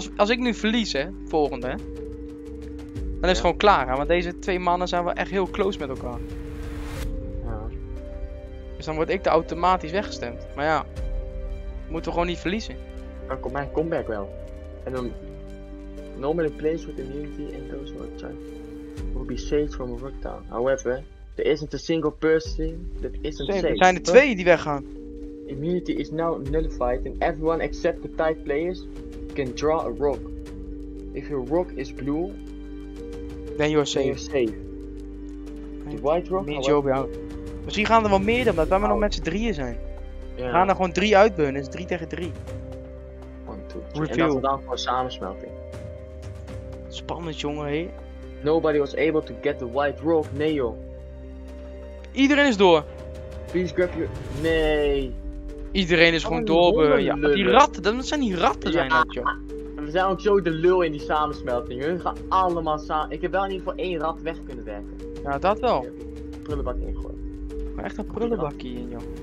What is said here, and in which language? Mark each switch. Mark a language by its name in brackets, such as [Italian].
[Dutch] Als ik nu verlies, hè, volgende, hè, dan is het gewoon klaar, hè, want deze twee mannen zijn wel echt heel close met elkaar. Ja. Dus dan word ik er automatisch weggestemd. Maar ja, moeten we gewoon niet verliezen. Dan komt mijn comeback wel. En dan... [English] Normally plays with immunity and those who are tough will be saved from a workdown. However, there isn't a single person that isn't safe. [Dutch] Er zijn er twee die weggaan. [English] Immunity is now nullified and everyone except the tight players can draw a rock. If your rock is blue, then you're safe. The white rock means you'll be out. [Dutch] Misschien gaan er wel meer dan, omdat wij maar nog met z'n drieën zijn. Yeah. We gaan er gewoon drie uitburnen, dus 3-3. 1-2. En dat is dan gewoon samensmelting. Spannend jongen, hé. [English] Nobody was able to get the white rock, [Dutch] nee joh. Iedereen is door. [English] Please grab your... Nee. [Dutch] Iedereen is gewoon doorbeuren. Ja, die ratten, dat zijn die ratten zijn dat, joh. We zijn ook zo de lul in die samensmelting. Hun gaan allemaal samen. Ik heb wel in ieder geval één rat weg kunnen werken. Ja, dat wel. Prullenbak ingooien. Maar echt een prullenbakje in, joh.